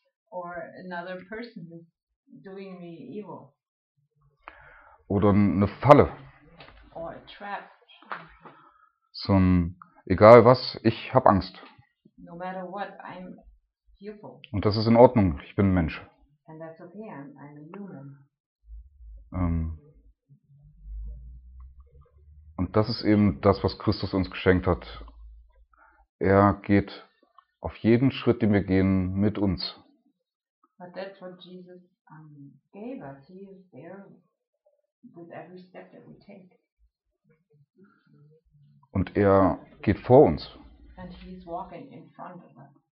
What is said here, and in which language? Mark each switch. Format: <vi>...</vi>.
<en>Or another person doing me evil.</en> <de>Oder eine Falle.</de> <en>Or a trap.</en> <de>So ein, egal was, ich habe Angst.</de> <en>No matter what, I'm fearful.</en> <de>Und das ist in Ordnung, ich bin ein Mensch.</de> <en>And that's okay, I'm a human.</en> <de>Und das ist eben das, was Christus uns geschenkt hat. Er geht auf jeden Schritt, den wir gehen, mit uns.</de> <en>But that's what Jesus gave us. He is there with every step that we take.</en> <de>Und er geht vor uns.</de> <en>And he's walking in front of us.</en>